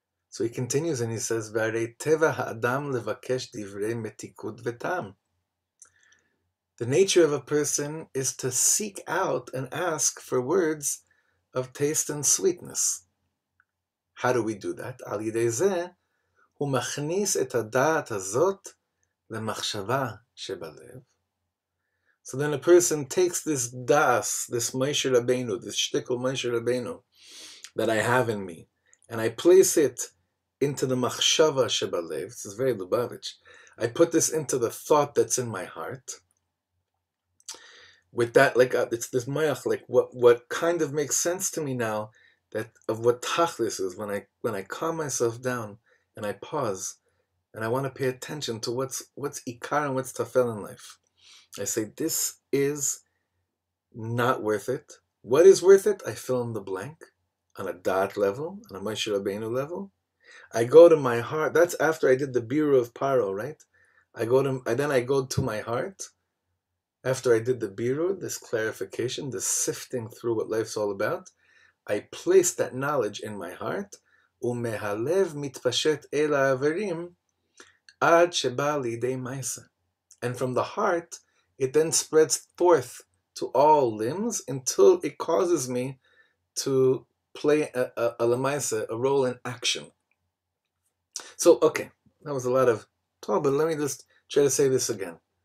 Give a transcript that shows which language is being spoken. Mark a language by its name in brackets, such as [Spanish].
[English] So he continues and he says, [Hebrew] V'arei teva ha-adam levakesh divrei metikud v'tam. [English] The nature of a person is to seek out and ask for words of taste and sweetness. How do we do that? [Hebrew] Al yidei zeh. הוא מכניס את הדעת הזאת למחשבה שבלב. [English] So then a person takes this das, this Moshe Rabbeinu, this shtickle Moshe Rabbeinu that I have in me, and I place it into the [Hebrew] machshava shebalev. [English] This is very Lubavitch. I put this into the thought that's in my heart. With that, like it's this mayach, like what kind of makes sense to me now that of what tachlis is when I calm myself down. And I pause, and I want to pay attention to what's ikar and what's tafel in life. I say, this is not worth it. What is worth it? I fill in the blank on a dot level, on a Moshe Rabbeinu level. I go to my heart. That's after I did the Biru of Paro, right? I go to my heart after I did the Biru, this clarification, this sifting through what life's all about. I place that knowledge in my heart. [Hebrew] ומהלב מתפשט אל העברים עד שבא לידי מייסה. [English] And from the heart, it then spreads forth to all limbs until it causes me to play a lemaisa, a role in action. So, okay, that was a lot of talk, but let me just try to say this again.